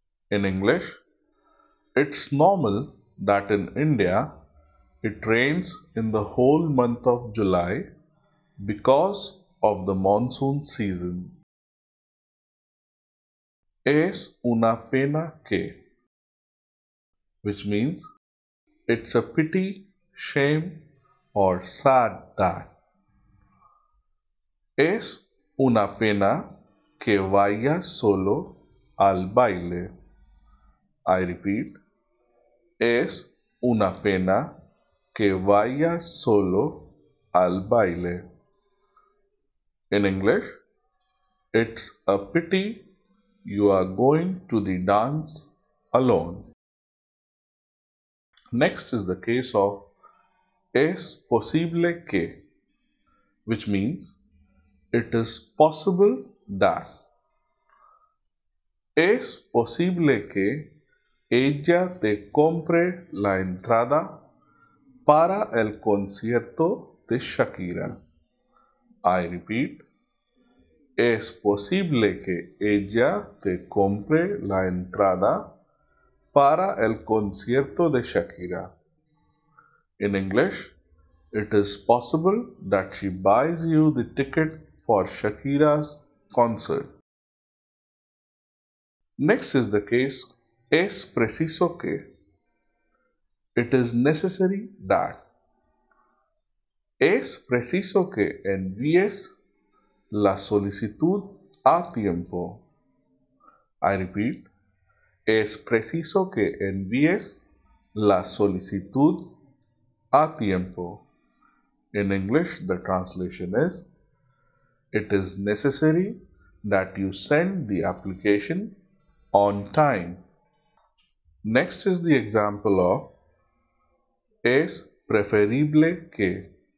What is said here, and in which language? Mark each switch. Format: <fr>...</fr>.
<en>In English, it's normal that in India it rains in the whole month of July because of the monsoon season.</en> <es>Es una pena que,</es> <en>which means it's a pity, shame, or sad that.</en> <es>Es una pena que vayas solo al baile.</es> <en>I repeat,</en> <es>es una pena que vayas solo al baile.</es> <en>In English, it's a pity you are going to the dance alone. Next is the case of</en> <es>es posible que,</es> <en>which means it is possible that.</en> <es>Es posible que ella te compre la entrada para el concierto de Shakira.</es> <en>I repeat,</en> <es>es posible que ella te compre la entrada para el concierto de Shakira.</es> <en>In English, it is possible that she buys you the ticket for Shakira's concert. Next is the case,</en> <es>es preciso que.</es> <en>It is necessary that.</en> <es>Es preciso que envíes la solicitud a tiempo.</es> <en>I repeat,</en> <es>es preciso que envíes la solicitud a tiempo.</es> <en>In English, the translation is, it is necessary that you send the application on time. Next is the example of</en> <es>es preferible que.</es>